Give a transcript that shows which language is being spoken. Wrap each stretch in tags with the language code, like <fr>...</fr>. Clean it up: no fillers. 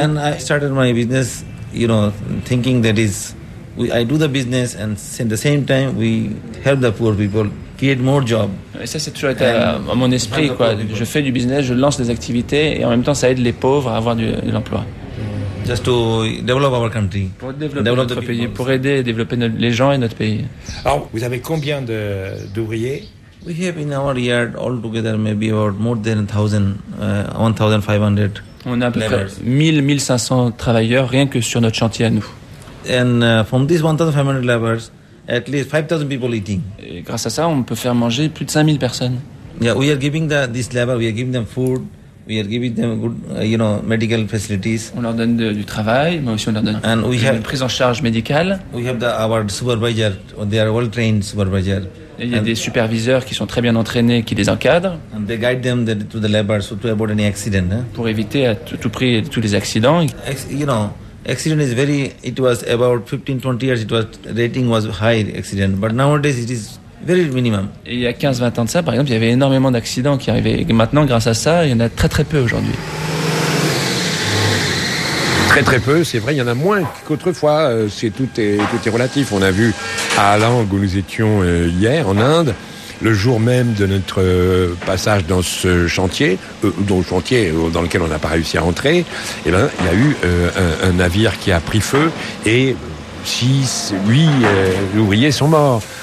<en>And I started my business, you know, thinking that is, I do the business and at the same time we help the poor people. More job.</en> <fr>Et ça, c'est toujours été à mon esprit. Quoi. Je fais du business, je lance des activités et en même temps, ça aide les pauvres à avoir de l'emploi. Just to develop our country. Pour développer notre pays, pour aider et développer les gens et notre pays. Alors, vous avez combien d'ouvriers?</fr> <en>We have in our yard all together maybe about more than 1,500.</en> <fr>On a à peu près 1,500 travailleurs rien que sur notre chantier à nous.</fr> <en>And from these 1,500 laborers, at least 5,000 people eating.</en> <fr>Et grâce à ça, on peut faire manger plus de 5,000 personnes.</fr> <en>Yeah, we are giving the this level. We are giving them food. We are giving them good, you know, medical facilities.</en> <fr>On leur donne du travail, mais aussi on leur donne une prise en charge médicale.</fr> <en>We have our supervisor. They are well trained supervisor.</en> <fr>Il y a des superviseurs qui sont très bien entraînés, qui les encadrent.</fr> <en>And they guide them to the labor, so to avoid any accident.</en> <fr>Pour éviter à tout prix tous les accidents.</fr> <en>Accident is very, it was about 15-20 years, it was, rating was high accident, but nowadays it is very minimum.</en> <fr>Et il y a 15-20 ans de ça, par exemple, il y avait énormément d'accidents qui arrivaient. Et maintenant, grâce à ça, il y en a très très peu aujourd'hui. Très très peu, c'est vrai, il y en a moins qu'autrefois, c'est tout est relatif. On a vu à Alang où nous étions hier en Inde, le jour même de notre passage dans ce chantier, dans lequel on n'a pas réussi à entrer, eh ben, il y a eu un navire qui a pris feu et 6-8 ouvriers sont morts.</fr>